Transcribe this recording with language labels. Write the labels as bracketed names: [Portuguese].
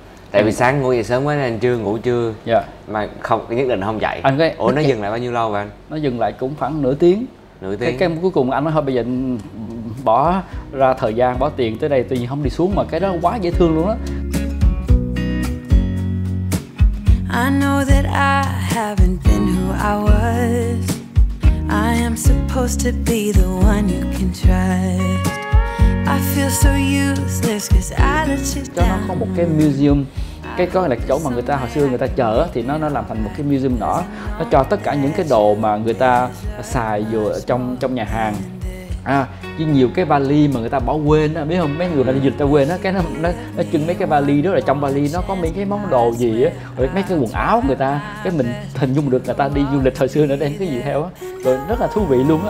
[Vietnamese] Tại vì sáng ngủ dậy sớm quá nên chưa ngủ trưa. Dạ. Mà không, nhất định không dậy. Anh cái, ủa nó dừng lại bao nhiêu lâu vậy anh? Nó dừng lại cũng khoảng nửa tiếng. Nửa tiếng. Cái cuối cùng anh nói thôi bây giờ bỏ ra thời gian, bỏ tiền tới đây, tự nhiên không đi xuống, mà cái đó quá dễ thương luôn đó. [English] I know that I haven't been who I was. I am supposed to be the one you can trust. I feel so useless cause I let you down. [Vietnamese] Cho nó có một cái museum, cái có là chỗ mà người ta hồi xưa người ta chờ, thì nó làm thành một cái museum nhỏ. Nó cho tất cả những cái đồ mà người ta xài vừa trong nhà hàng. À, với nhiều cái vali mà người ta bỏ quên á, biết không, mấy người mà đi dịch ta quên á, cái nó trưng mấy cái vali đó, là trong vali nó có mấy cái món đồ gì á, rồi mấy cái quần áo người ta, cái mình hình dung được người ta đi du lịch hồi xưa nữa đem cái gì theo á, rồi rất là thú vị luôn á.